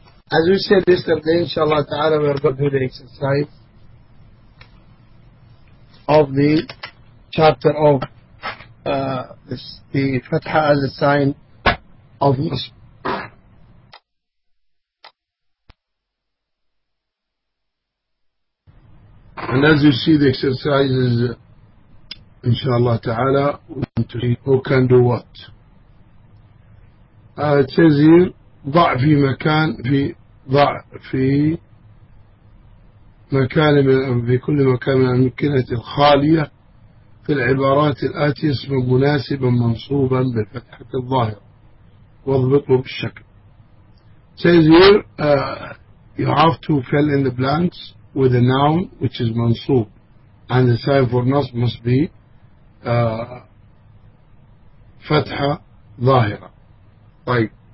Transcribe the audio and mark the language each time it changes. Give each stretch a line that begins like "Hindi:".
English: As we said yesterday, inshallah ta'ala, we are going to do the exercise of the chapter of the Fatha as a sign of Nasr. And as you see, the exercise is, inshallah ta'ala, we want to see who can do what.
Arabic: It says here, ضع في مكان في ضع في مكان من في كل مكان من الأمكنة الخالية في العبارات الآتية اسما مناسبا منصوبا بالفتحة الظاهرة واضبطه بالشكل.
English: Says here you have to fill in the blanks with a noun which is منصوب and the sign for نصب must be فتحة ظاهرة.
Arabic: طيب.